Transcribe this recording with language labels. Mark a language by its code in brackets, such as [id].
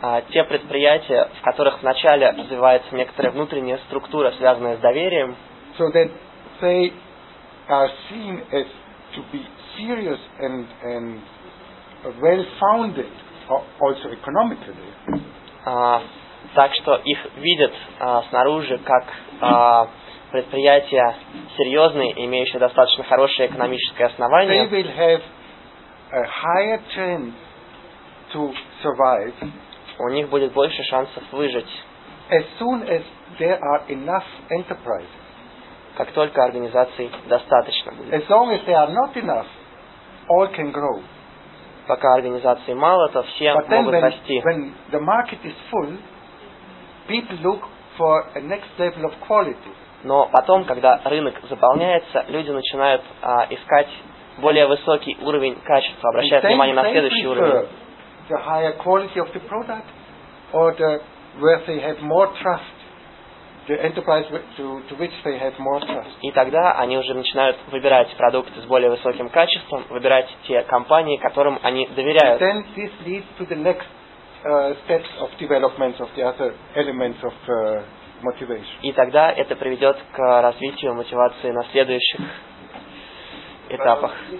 [ru] Те предприятия, в которых вначале развивается некоторая внутренняя структура, связанная с доверием. [en] So that they are seen as to be serious and well-founded, also economically. [ru] Так что их видят снаружи как предприятия серьезные, имеющие достаточно хорошее экономическое основание. [en] They will have a higher chance to survive. [ru] У них будет больше шансов выжить. [en] As soon as there are enough enterprises. [ru] Как только организаций достаточно будет. [en] As long as they are not enough, all can grow. [ru] Пока организаций мало, то все могут расти. [en] When the market is full, people look for a next level of quality. [ru] Но потом, когда рынок заполняется, люди начинают искать более высокий уровень качества, обращая внимание на следующий уровень. [en] The higher quality of the product, or the where they have more trust. The enterprise to which they have more trust. [ru] И тогда они уже начинают выбирать продукты с более высоким качеством, выбирать те компании, которым они доверяют. [en] And then this leads to the next steps of development of the other elements of motivation. [ru] И тогда это приведет к развитию мотивации на следующих этапах.